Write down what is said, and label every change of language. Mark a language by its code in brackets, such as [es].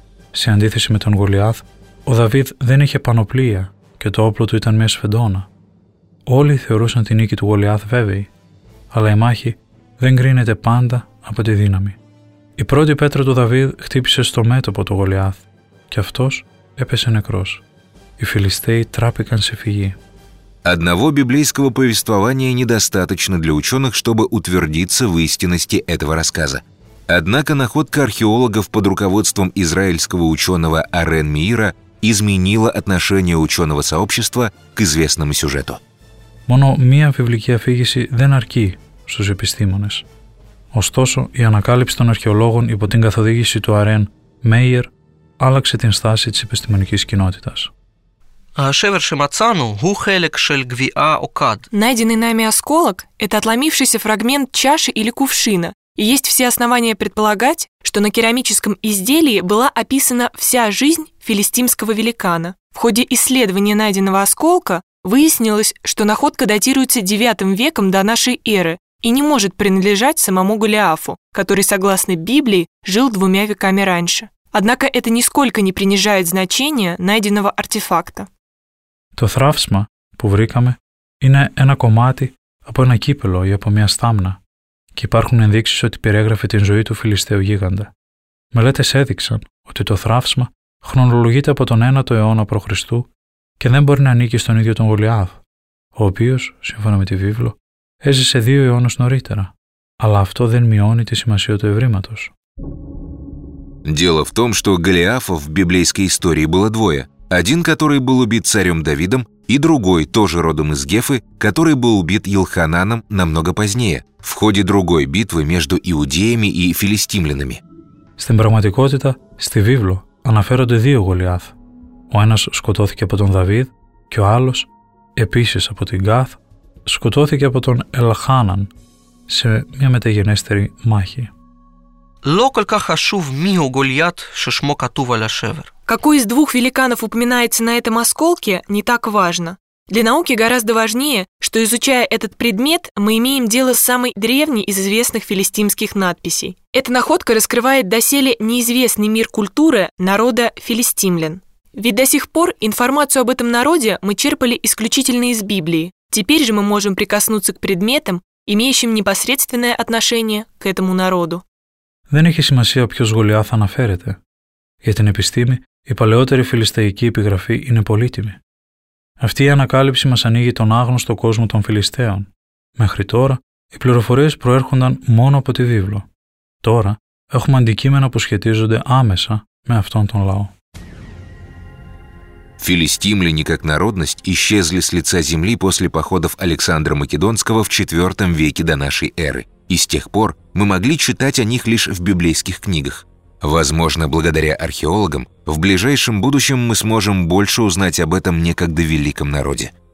[el] Σε αντίθεση με τον Γολιάθ, ο Δαβίδ δεν είχε πανοπλία και το όπλο του ήταν μια σφεντόνα. Όλοι θεωρούσαν την νίκη του Γολιάθ βέβαιη, αλλά η μάχη δεν κρίνεται πάντα από τη δύναμη. Η πρώτη πέτρα του Δαβίδ χτύπησε στο μέτωπο του Γολιάθ και αυτός έπεσε νεκρός. Οι Φιλιστέοι τράπηκαν σε φυγή. [ru] Одного библейского повествования недостаточно для ученых, чтобы утвердиться в истинности этого рассказа. Однако находка археологов под руководством израильского ученого Арен Мира изменила отношение ученого сообщества к известному сюжету. [el] Μόνο μία βιβλική αφήγηση δεν αρκεί στους επιστήμονες. Ωστόσο, η ανακάλυψη των αρχαιολόγων υπό την καθοδήγηση του Αρέν Μέιερ άλλαξε την στάση της επιστημονικής κοινότητας. [he] Шевер Шимацану, Гухелек Шель Гвиа Окад. [ru] Найденный нами осколок – это отломившийся фрагмент чаши или кувшина. И есть все основания предполагать, что на керамическом изделии была описана вся жизнь филистимского великана. В ходе исследования найденного осколка выяснилось, что находка датируется 9 веком до нашей эры и не может принадлежать самому Голиафу, который, согласно Библии, жил 2 веками раньше. Однако это нисколько не принижает значение найденного артефакта. [el] То θράψμα, που βρήκαμε, είναι ένα κομμάτι από ένα κύπελο ή από μια στάμνα και υπάρχουν ενδείξεις ότι περιέγραφε την ζωή του Φιλιστέου γίγαντα. Μελέτες έδειξαν ότι το θράψμα χρονολογείται από τον 9ο αιώνα π.Χ. και δεν μπορεί να ανήκει στον ίδιο τον Γολιάθ, ο οποίος, σύμφωνα με τη Βίβλο, έζησε 2 αιώνες νωρίτερα. Αλλά αυτό δεν μειώνει τη σημασία του ευρήματος. [ru] Дело в том, что Голиафов в библейской истории было двое. Один, который был убит царем Давидом, и другой, тоже родом из Гефы, который был убит Елхананом намного позднее, в ходе другой битвы между иудеями и филистимлянами. [el] Στην πραγματικότητα, στη Βίβλο, αναφέρονται 2 Голиάθ. Ο ένας σκοτώθηκε από τον Δαβίδ και ο άλλος, επίσης από την Γάθ, σκοτώθηκε από τον Ελχάναν σε μια μεταγενέστερη μάχη. [he] Локолька хашув мио Гольят шишмо катувала шевер. [ru] Какой из двух великанов упоминается на этом осколке, не так важно. Для науки гораздо важнее, что изучая этот предмет, мы имеем дело с самой древней из известных филистимских надписей. Эта находка раскрывает доселе неизвестный мир культуры народа филистимлян. Ведь до сих пор информацию об этом народе мы черпали исключительно из Библии. Теперь же мы можем прикоснуться к предметам, имеющим непосредственное отношение к этому народу. [el] Δεν έχει σημασία ποιος Γολιάθ αναφέρεται. Για την επιστήμη, η παλαιότερη φιλιστεϊκή επιγραφή είναι πολύτιμη. Αυτή η ανακάλυψη μας ανοίγει τον άγνωστο κόσμο των Φιλιστέων. Μέχρι τώρα, οι πληροφορίες προέρχονταν μόνο από τη Βίβλο. Τώρα, έχουμε αντικείμενα που σχετίζονται άμεσα με αυτόν τον λαό. [ru] Филистимляне как народность исчезли с лица земли после походов Александра Македонского в 4 веке до нашей эры. И с тех пор мы могли читать о них лишь в библейских книгах. Возможно, благодаря археологам, в ближайшем будущем мы сможем больше узнать об этом некогда великом народе.